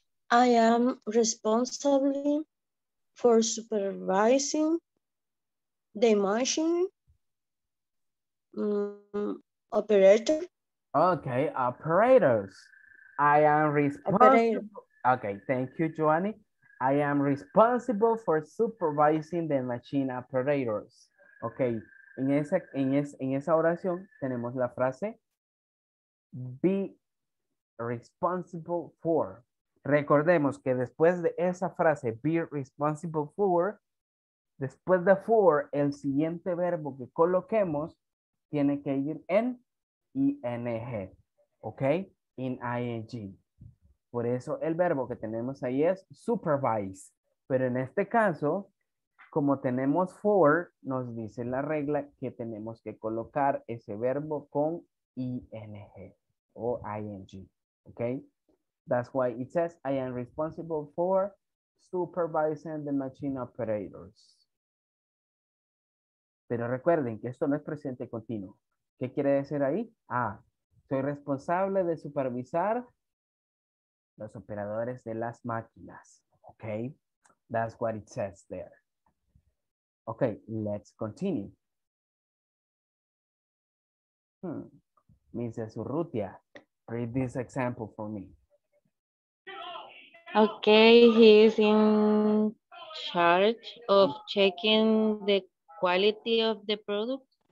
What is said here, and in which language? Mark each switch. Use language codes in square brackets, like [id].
[en] I am responsible for supervising the machine operator. Okay, operators. I am responsible. Operator. Okay, thank you, Joanny. I am responsible for supervising the machine operators. [es] Okay, en esa oración tenemos la frase [en] be responsible for. [es] Recordemos que después de esa frase, [en] be responsible for, [es] después de for, el siguiente verbo que coloquemos tiene que ir en ing, okay, in ing. Por eso el verbo que tenemos ahí es supervise. Pero en este caso, como tenemos for, nos dice la regla que tenemos que colocar ese verbo con ing o ing. ¿Ok? [en] That's why it says, I am responsible for supervising the machine operators. [es] Pero recuerden que esto no es presente continuo. ¿Qué quiere decir ahí? Ah, soy responsable de supervisar los operadores de las máquinas, okay? [en] That's what it says there. Okay, let's continue. Mrs. Urrutia, read this example for me. Okay, he is in charge of checking the quality of the product.